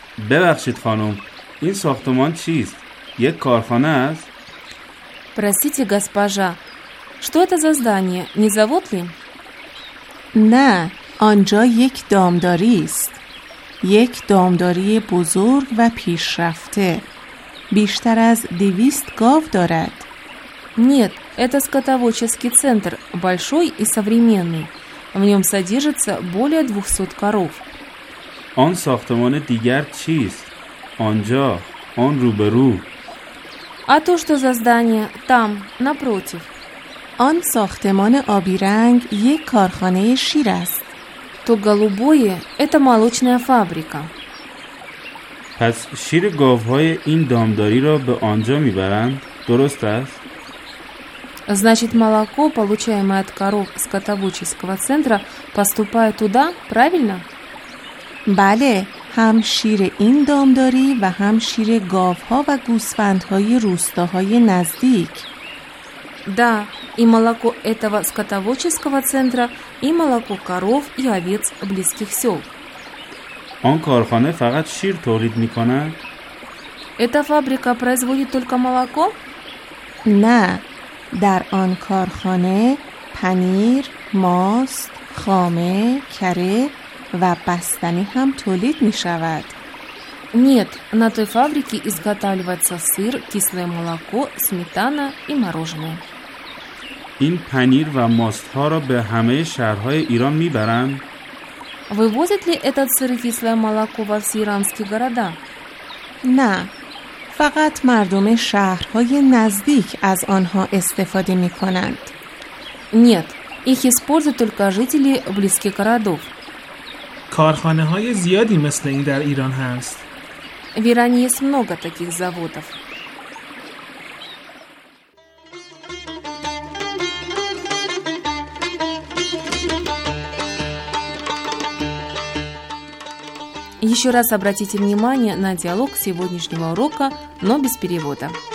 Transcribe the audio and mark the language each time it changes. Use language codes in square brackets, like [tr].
[fa] ببخشید خانم، این ساختمان چیست؟ یک کارخانه هست؟ [ru] پرسیتی گسپاژا، شتو اتا زا زدنی، نی زاود لیم؟ [fa] نه، آنجا یک دامداری است. یک دامداری بزرگ و پیشرفته. بیشتر از 200 گاو دارد. [ru] Нет, это скотоводческий центр, большой и современный. В нём содержится более 200 коров. [fa] آن ساختمان دیگر چیست؟ آنجا، آن روبرو. [ru] А то, что за здание там, напротив. [fa] آن ساختمان آبی رنگ یک کارخانه شیر است. [ru] То голубое это молочная фабрика. [fa] پس شیر گاوهای این دامداری را به آنجا میبرند، درست است؟ [ru] значит молоко, получаемое от коров скотоводческого центра, поступает туда, правильно? [fa] بله، هم شیر این دامداری و هم شیر گاوها و گوسفندهای روستاهای نزدیک. [ru] да, и молоко этого скотоводческого центра, и молоко коров и овец близких сёл. [fa] آن کارخانه فقط شیر تولید می‌کند؟ [ru] Эта фабрика производит только молоко? [fa] نه. در آن کارخانه پنیر، ماست، خامه، کره و بستنی هم تولید می‌شود. [ru] Нет, на той фабрике изготавливается сыр, кислое молоко, сметана и мороженое. [fa] این پنیر و ماست‌ها را به همه شهرهای ایران می‌برند؟ [ru] Вывозит ли этот сыр и кислое молоко во все иранские города? На. [fa] فقط مردم شهرهای نزدیک از آنها استفاده می کنند. [ru] Нет, их используют только жители близких городов. [fa] کارخانه های زیادی مثل این در ایران هست. [ru] В Иране есть много таких заводов. Еще раз обратите внимание на диалог сегодняшнего урока, но без перевода.